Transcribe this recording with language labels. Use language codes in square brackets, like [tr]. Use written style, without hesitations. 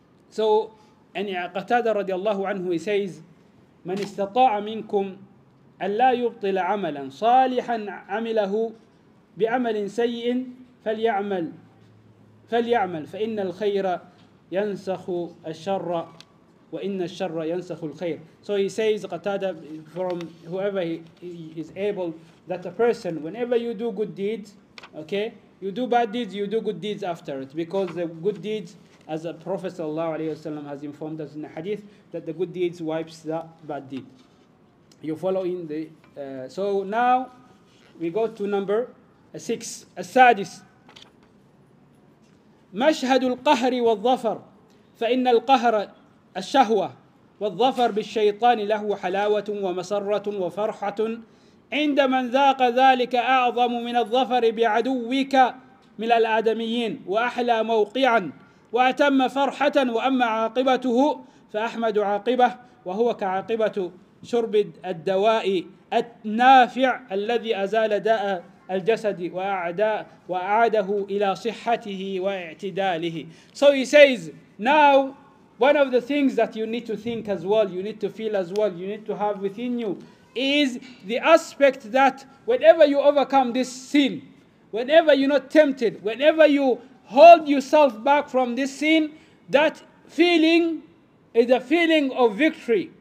[en] So, and Qatada radiallahu anhu, he says, [ar] من استطاع منكم أن لا يبطل عملا صالحا عمله بعمل سيء فليعمل فإن الخير ينسخ الشر وإن الشر ينسخ الخير. [en] So he says, Qatada, from whoever he is able, that a person, whenever you do good deeds, okay, you do bad deeds, you do good deeds after it, because the good deeds as the Prophet sallallahu alayhi wa sallam has informed us in the hadith, that the good deeds wipes the bad deed. You follow in the... So now we go to number six, as-sadis. [ar] مشهد القهر والظفر فإن القهر الشهوة والظفر بالشيطان له حلاوة ومسرة وفرحة عند من ذاق ذلك أعظم من الظفر بعدوك من الآدميين وأحلى موقعا وأتم فرحة وأما عاقبته فأحمد عاقبة وهو كعاقبة شرب الدواء النافع الذي أزال داء الجسد وأعداء وأعاده إلى صحته واعتداله. [en] So he says, now one of the things that you need to think as well, you need to feel as well, you need to have within you, is the aspect that whenever you overcome this sin, whenever you're not tempted, whenever you hold yourself back from this sin, that feeling is a feeling of victory.